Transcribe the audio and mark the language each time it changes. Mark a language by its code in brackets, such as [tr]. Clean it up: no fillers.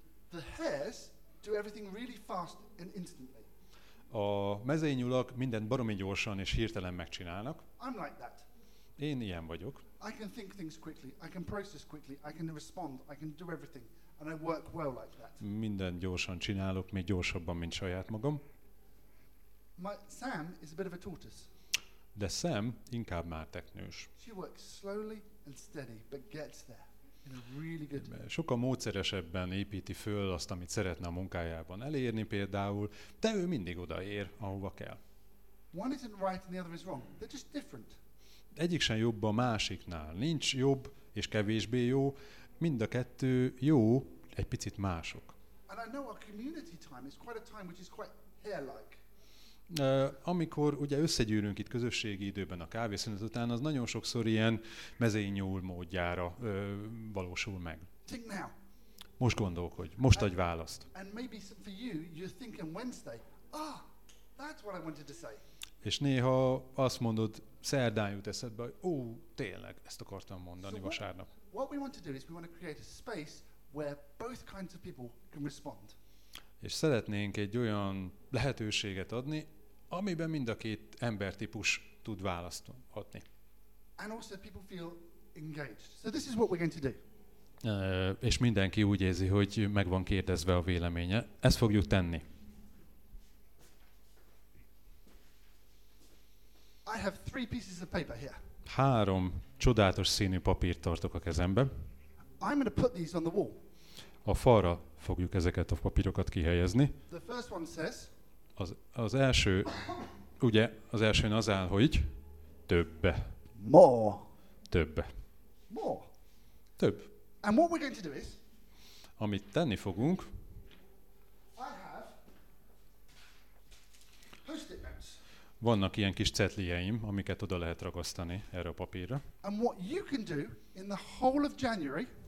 [en] The hares do everything really fast and instantly. [hu] A mezőnyulak mindent baromi gyorsan és hirtelen megcsinálnak. [en] I'm like that. [hu] Én ilyen vagyok. [en] I can think things quickly, I can process quickly, I can respond, I can do everything, and I work well like that. [hu] Minden gyorsan csinálok, még gyorsabban, mint saját magam. [en] Sam is a bit of a tortoise. [hu] De Sam inkább már teknős. [en] She works slowly and steady, but gets there. Really good. [hu] Sokkal módszeresebben építi föl azt, amit szeretne a munkájában elérni például, de ő mindig odaér, ahova kell. [en] One isn't right and the other is wrong. They're just different. [hu] Egyik sem jobb a másiknál. Nincs jobb és kevésbé jó. Mind a kettő jó, egy picit mások. [en] And I know our community time is quite a time which is quite hair-like. [hu] Amikor ugye összegyűlünk itt közösségi időben a kávészünet után, az nagyon sokszor ilyen mezőnyúl módjára valósul meg. [en] Think now. [hu] Most gondolkodj, most adj választ. [en] And maybe for you, you're thinking Wednesday. Ah, oh, that's what I wanted to say. [hu] És néha azt mondod, szerdán jut eszedbe, hogy ó, tényleg, ezt akartam mondani [en] so [hu] vasárnap. [en] What we want to do is we want to create a space where both kinds of people can respond. [hu] És szeretnénk egy olyan lehetőséget adni, amiben mind a két embertípus tud választ adni. [en] And also people feel engaged. So this is what we're going to do. [hu] És mindenki úgy érzi, hogy meg van kérdezve a véleménye. Ezt fogjuk tenni. [en] I have three pieces of paper here. [hu] Három csodálatos színű papírt tartok a kezembe. [en] I'm going to put these on the wall. [hu] A falra fogjuk ezeket a papírokat kihelyezni. [en] The first one says, [hu] az első, ugye, az elsőn az áll, hogy többe. [en] More. [hu] Többe. [en] More. [hu] Több. [en] And what we're going to do is, [hu] amit tenni fogunk, [en] I have post-it notes. [hu] Vannak ilyen kis cetlijeim, amiket oda lehet ragasztani erre a papírra. [en] And what you can do in the whole of January,